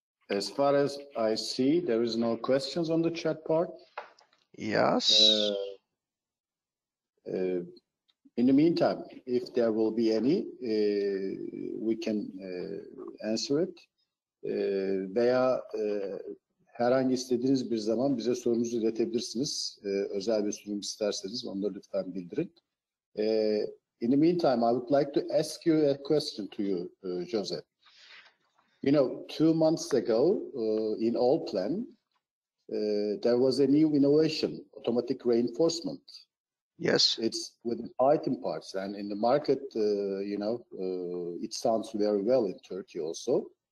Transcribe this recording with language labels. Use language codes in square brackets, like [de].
[en] As far as I see, there is no questions on the chat part. Yes. In the meantime, if there will be any, we can answer it. [tr] Veya herhangi istediğiniz bir zaman bize sorunuzu iletebilirsiniz. Özel bir sunum isterseniz onları lütfen bildirin. [en] In the meantime, I would like to ask you a question to you, Jose. You know, 2 months ago in Allplan, there was a new innovation, automatic reinforcement. Yes. It's with Python parts and in the market, you know, it sounds very well in Turkey also.